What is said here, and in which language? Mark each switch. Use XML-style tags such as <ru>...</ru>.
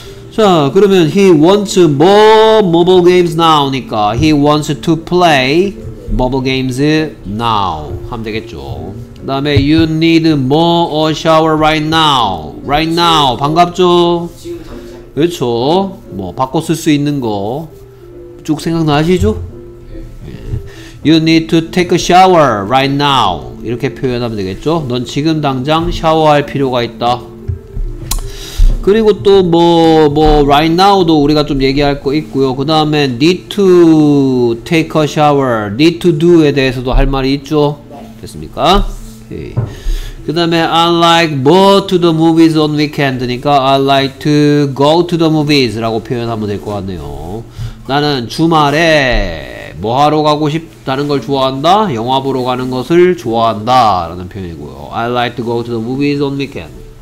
<ko>자, 그러면</ko> <en>he wants more mobile games now니까 he wants to play mobile games now</en> <ko>하면 되겠죠. 그 다음에</ko> <en>you need more a shower right now. Right now</en> <ko>반갑죠? 그렇죠. 뭐 바꿔 쓸 수 있는 거 쭉 생각나시죠?</ko> <en>You need to take a shower right now.</en> <ko>이렇게 표현하면 되겠죠. 넌 지금 당장 샤워할 필요가 있다. 그리고 또 뭐 right now도 우리가 좀 얘기할 거 있고요. 그 다음에</ko> <en>need to take a shower, need to do</en> <ko>에 대해서도 할 말이 있죠. 됐습니까? 오케이. 그 다음에</ko> <en>I like more to the movies on weekend니까 I like to go to the movies</en> <ko>라고 표현하면 될 것 같네요. 나는 주말에 뭐 하러 가고 싶다는 걸 좋아한다? 영화 보러 가는 것을 좋아한다 라는 표현이고요.</ko> <en>I like to go to the movies on weekend.</en>